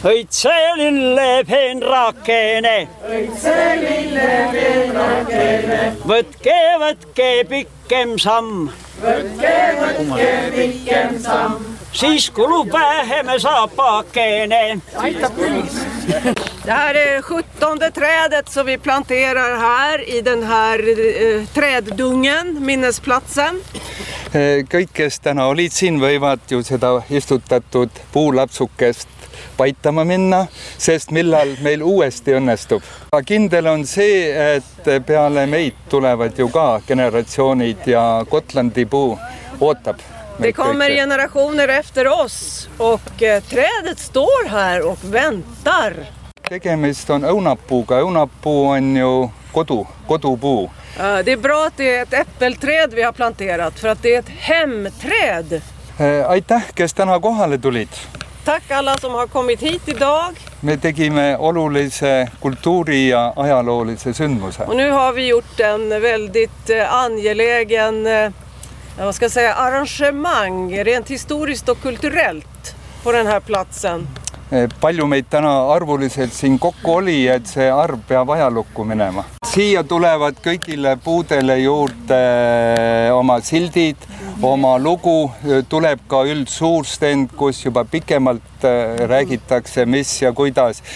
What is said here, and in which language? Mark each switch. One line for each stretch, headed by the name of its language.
Estonian: õitse lille penrakene, õitse lille penrakene, võtke, võtke pikkem samm, võtke, võtke pikkem samm, siis kulub väheme saapakene. Aitab kulis.
Swedish: Det här är 17:e trädet som vi planterar här i den här träddungen, minnesplatsen.
Estonian: Kõik, kes täna olid siin, võivad ju seda istutatud puulapsukest paitama minna, sest millal meil uuesti õnnestub. Aga kindel on see, et peale meid tulevad ju ka generatsioonid ja Gotlandi puu ootab.
Swedish: Det kommer generationer efter oss och trädet står här och väntar.
Estonian: Tegemist on õunapuuga. Õunapuu on ju kodupuu.
Swedish: Det är bra att det är ett äppelträd vi har planterat för att det är ett hemträd.
Estonian: Aitäh, kes täna kohale tulid.
Swedish: Tack alla som har kommit hit idag.
Estonian: Me tegime olulise kultuuri ja ajaloolise sündmuse.
Swedish: Och nu har vi gjort en väldigt angelägen, vad ska jag säga, arrangemang rent historiskt och kulturellt på den här platsen.
Estonian: Palju meid täna arvuliselt siin kokku oli, et see arv peab ajalukku minema. Siia tulevad kõigile puudele juurde oma sildid, oma lugu. Tuleb ka üld suur stend, kus juba pikemalt räägitakse, mis ja kuidas.